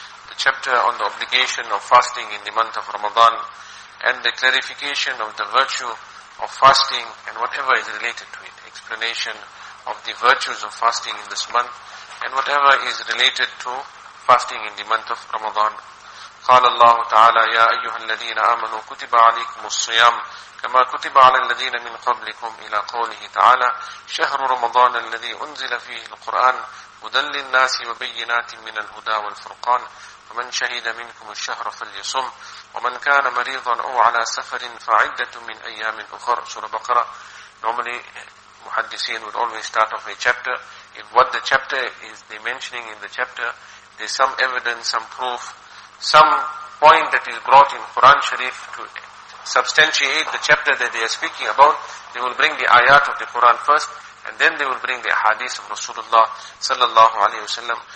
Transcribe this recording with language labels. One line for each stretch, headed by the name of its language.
English: The chapter on the obligation of fasting in the month of Ramadan and the clarification of the virtue of fasting and whatever is related to it. Explanation of the virtues of fasting in this month and whatever is related to fasting in the month of Ramadan.
Arabic: قال الله تعالى يا أيها الذين آمنوا كتب عليكم الصيام كما كتب على الذين من قبلكم إلى قوله تعالى شهر رمضان الذي أنزل فيه القرآن هدى للناس وبينات من الهدى والفرقان ومن شهد منكم الشهر فليصم ومن كان مريضا أو على سفر فعدة من أيام أخر سورة بقرة.
English: Normally محدثين would always start off a chapter. If what the chapter is they mentioning in the chapter, there's some evidence, some proof, some point that is brought in Quran Sharif to substantiate the chapter that they are speaking about, they will bring the ayat of the Quran first, and then they will bring the hadith of Rasulullah sallallahu alayhi wasallam.